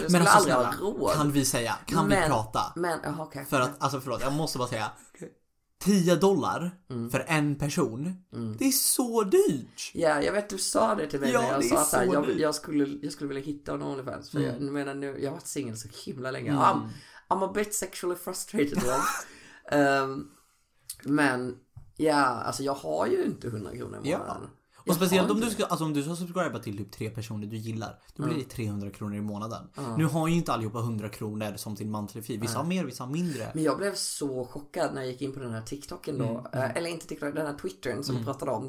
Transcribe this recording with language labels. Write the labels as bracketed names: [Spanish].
[Swedish] Men alltså, aldrig snälla, råd. Kan vi säga, kan men, vi prata? Men, okay. För att, alltså förlåt, jag måste bara säga $10 för en person. Det är så dyrt. Ja, jag vet, du sa det till mig när jag sa att jag skulle vilja hitta en OnlyFans. För jag menar nu, jag har varit singel så himla länge. [English] I'm a bit sexually frustrated. [Swedish] Men ja, alltså jag har ju inte 100 kronor i månaden. Och speciellt om du ska, alltså om du ska subscriba till typ tre personer du gillar, då blir det 300 kronor i månaden. Nu har ju inte allihopa 100 kronor som sin [English] monthly fee. [Swedish] Vissa har mer, vissa har mindre. Men jag blev så chockad när jag gick in på den här TikToken då. Eller inte TikTok, den här Twittern som vi pratade om.